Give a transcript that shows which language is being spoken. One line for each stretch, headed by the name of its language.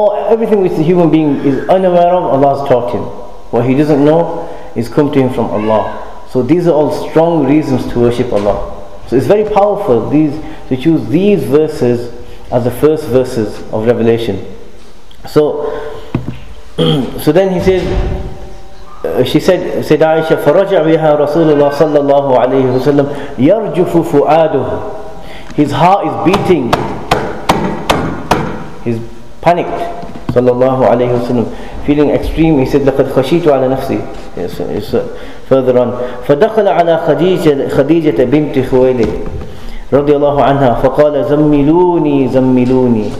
English: Everything which the human being is unaware of, Allah has taught him. What he doesn't know is come to him from Allah. So these are all strong reasons to worship Allah. So it's very powerful to choose these verses as the first verses of revelation. So then he says, she said,
Arabic: Sayyid Aisha, فَرَجَعْ بِهَا رَسُولُ اللَّهِ صَلَّى اللَّهُ عَلَيْهِ وَسَلَّمْ يَرْجُفُ فُعَادُهُ.
English: His heart is beating. He's panicked.
Arabic: صلى الله عليه وسلم.
English: Feeling extreme, he said,
Arabic: لَقَدْ خَشِيتُ عَلَى نَفْسِي.
English: Yes, further on.
Arabic: فَدَخَلَ عَلَى خَدِيجَةَ بِنْتِ خُوَيْلِدْ رضي الله عنها فقال زملوني زملوني.